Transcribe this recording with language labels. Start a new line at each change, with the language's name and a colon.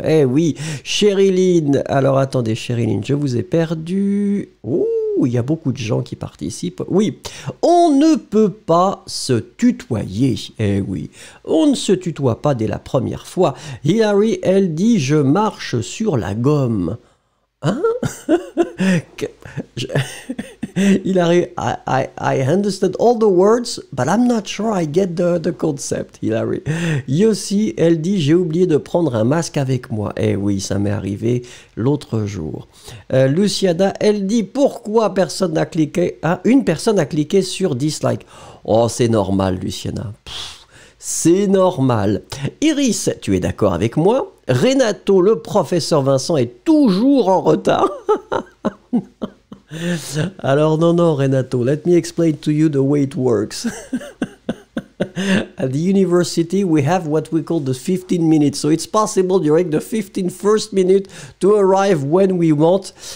French: Eh oui, Cherylyn. Alors attendez, Cherylyn, je vous ai perdu. Ouh, il y a beaucoup de gens qui participent. Oui, on ne peut pas se tutoyer. Eh oui, on ne se tutoie pas dès la première fois. Hilary, elle dit « je marche sur la gomme ». Hein?
English: Hilary, I understand all the words, but I'm not sure I get the concept, Hilary.
French: Yossi, elle dit, j'ai oublié de prendre un masque avec moi. Eh oui, ça m'est arrivé l'autre jour. Luciada, elle dit, pourquoi personne n'a cliqué, hein, une personne a cliqué sur dislike. Oh, c'est normal, Luciana. C'est normal. Iris, tu es d'accord avec moi? Renato, le professeur Vincent est toujours en retard. Alors non,
English: Renato, let me explain to you the way it works. At the university, we have what we call the 15 minutes. So it's possible during the 15 first minutes to arrive when we want.